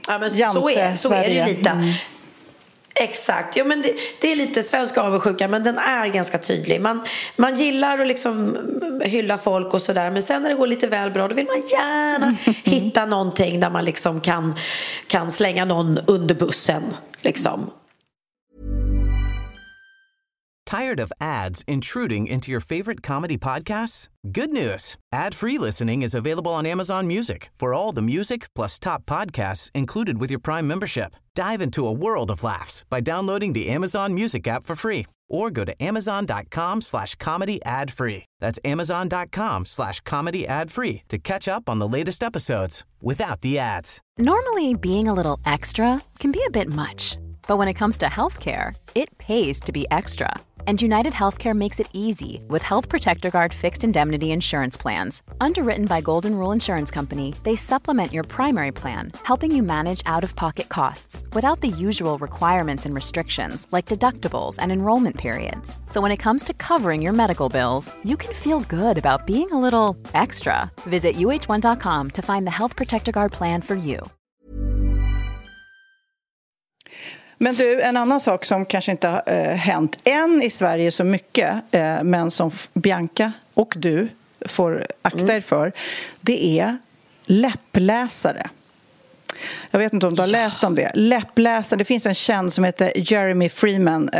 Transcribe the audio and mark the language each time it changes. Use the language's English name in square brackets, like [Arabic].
[Swedish] Ja, men Jante, så är det ju lite. Exakt, ja, men det är lite svensk avundsjuka, men den är ganska tydlig. Man gillar att liksom hylla folk och sådär, men sen när det går lite väl bra, då vill man gärna hitta någonting där man liksom kan slänga någon under bussen. Liksom. [English] Tired of ads intruding into your favorite comedy podcasts? Good news! Ad-free listening is available on Amazon Music for all the music plus top podcasts included with your Prime membership. Dive into a world of laughs by downloading the Amazon Music app for free, or go to amazon.com/comedyadfree. That's amazon.com/comedyadfree to catch up on the latest episodes without the ads. Normally, being a little extra can be a bit much, but when it comes to healthcare, it pays to be extra. And United Healthcare makes it easy with Health Protector Guard fixed indemnity insurance plans. Underwritten by Golden Rule Insurance Company, they supplement your primary plan, helping you manage out-of-pocket costs without the usual requirements and restrictions like deductibles and enrollment periods. So when it comes to covering your medical bills, you can feel good about being a little extra. Visit uh1.com to find the Health Protector Guard plan for you. [Swedish] Men du, en annan sak som kanske inte har hänt än i Sverige så mycket, men som Bianca och du får akta er för, det är läppläsare. Jag vet inte om du har läst om det. Läppläsare, det finns en känd som heter Jeremy Freeman.